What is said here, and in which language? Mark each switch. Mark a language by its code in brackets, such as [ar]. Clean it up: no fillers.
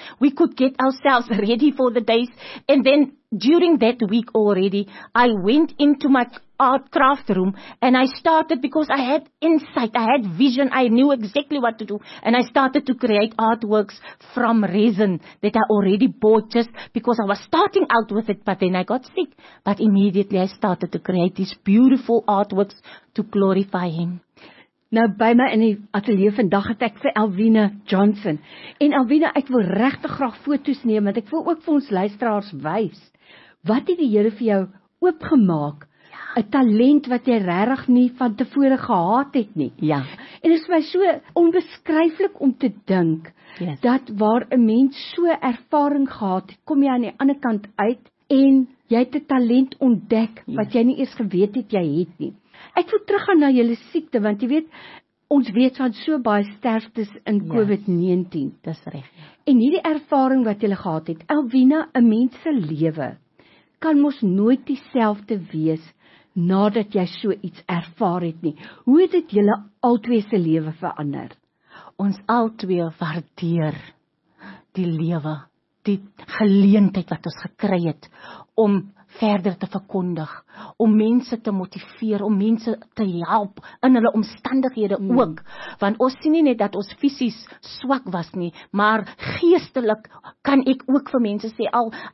[en] We could get ourselves ready for the days. And then during that week already, I went into my art craft room and I started because I had insight, I had vision, I knew exactly what to do and I started to create artworks from resin that I already bought just because I was starting out with it but then I got sick but immediately I started to create these beautiful artworks to glorify him. [af] Nou by my in die ateljee vandag het ek vir Elwina Johnson en Elwina, ek wil regtig graag foto's neem want ek wil ook vir ons luisteraars wys wat het die Here vir jou oopgemaak. 'N talent wat jy regtig nie van tevore gehad het nie. Ja. En dit is vir my so onbeskryflik om te dink, yes, dat waar 'n mens so ervaring gehad het, kom jy aan die ander kant uit en jy het 'n talent ontdek, yes, wat jy nie eers geweet het jy het nie. Ek wil teruggaan na julle siekte, want jy weet, ons weet van so baie sterftes in, yes, COVID-19. Dis reg. En hierdie ervaring wat jy gehad het, Elwina, 'n mens se lewe kan mos nooit dieselfde wees nadat jy so iets ervaar het nie. Hoe het dit julle altwee se lewe verander? Ons altwee waardeer die lewe, die geleentheid wat ons gekry het om verder te verkondig, om mense te motiveer, om mense te help in hulle omstandighede ook, want ons sien nie net dat ons fisies swak was nie, maar geestelik kan ek ook vir mense sê, al